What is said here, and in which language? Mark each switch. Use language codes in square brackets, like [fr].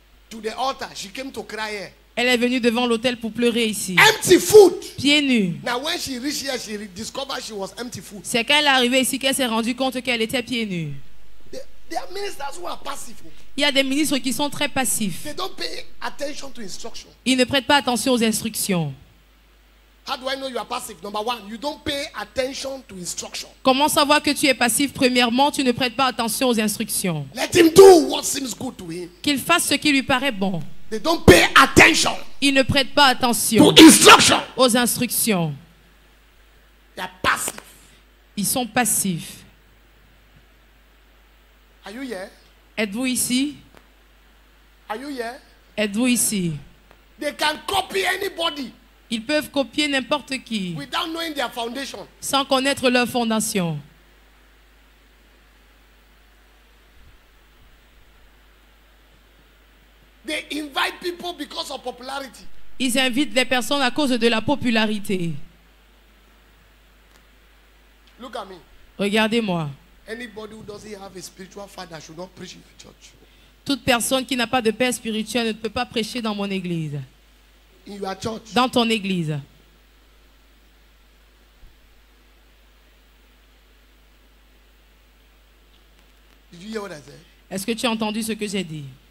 [en] To the altar, she came to cry here. [fr] Elle est venue devant l'autel pour pleurer ici. [en] Empty foot. [fr] Pieds nus. [en] Now when she reached here, she discovered she was empty foot. [fr] C'est quand elle est arrivée ici qu'elle s'est rendue compte qu'elle était pieds nus. [en] There are ministers who are passive. [fr] Il y a des ministres qui sont très passifs. [en] They don't pay attention to instructions. [fr] Ils ne prêtent pas attention aux instructions. [en] How do I know you are passive? Number one, you don't pay attention to instructions. [fr] Comment savoir que tu es passif? Premièrement, tu ne prêtes pas attention aux instructions. [en] Let him do what seems good to him. [fr] Qu'il fasse ce qui lui paraît bon. [en] They don't pay attention. [fr] Ils ne prêtent pas attention [en] to instructions. [fr] Aux instructions. [en] They are passive. [fr] Ils sont passifs. [en] Are you here? [fr] Êtes-vous ici? [en] Are you here? [fr] Êtes-vous ici? [en] They can copy anybody. [fr] Ils peuvent copier n'importe qui. [en] Without knowing their foundation. [fr] Sans connaître leur fondation. [en] They invite people because of popularity. [fr] Ils invitent des personnes à cause de la popularité. [en] Look at me. [fr] Regardez-moi. [en] Anybody who doesn't have a spiritual father should not preach in the church. [fr] Toute personne qui n'a pas de père spirituel ne peut pas prêcher dans mon église. [en] In your church. [fr] Dans ton église. [en] Did you hear what I said? [fr] Est-ce que tu as entendu ce que j'ai dit?